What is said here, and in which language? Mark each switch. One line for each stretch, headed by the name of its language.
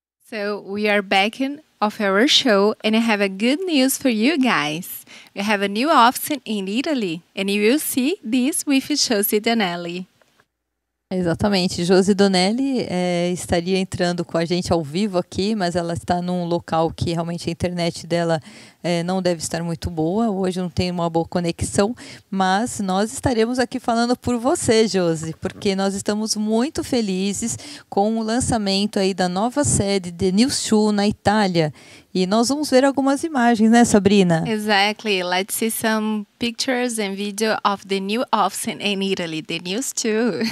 English: So we are back in of our show and I have a good news for you guys. We have a new office in Italy and you will see this with Josi Donnelly.
Portuguese: Exatamente, Josi Donnelly estaria entrando com a gente ao vivo aqui, mas ela está num local que realmente a internet dela não deve estar muito boa. Hoje não tem uma boa conexão, mas nós estaremos aqui falando por você, Josi, porque nós estamos muito felizes com o lançamento aí da nova sede de News 2 na Itália. E nós vamos ver algumas imagens, né, Sabrina?
English: Exactly. Let's see some pictures and video of the new office in Italy, the News 2.